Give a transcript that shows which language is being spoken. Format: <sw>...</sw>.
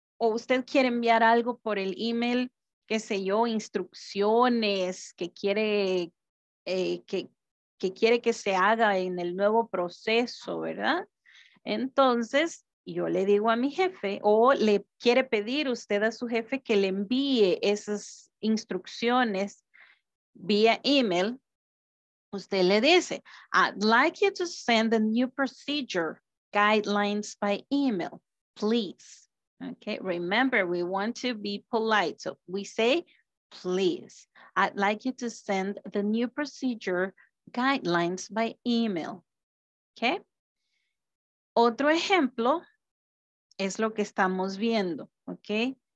<es>O usted quiere enviar algo por el email, qué sé yo, instrucciones que quiere que se haga en el nuevo proceso, ¿verdad? Entonces, yo le digo a mi jefe, o le quiere pedir usted a su jefe que le envíe esas instrucciones vía email. Usted le dice,</es> <en>I'd like you to send the new procedure guidelines by email, please. Okay, remember, we want to be polite. So we say, please, I'd like you to send the new procedure guidelines by email.</en> <es>Okay, otro ejemplo es lo que estamos viendo, okay?</es>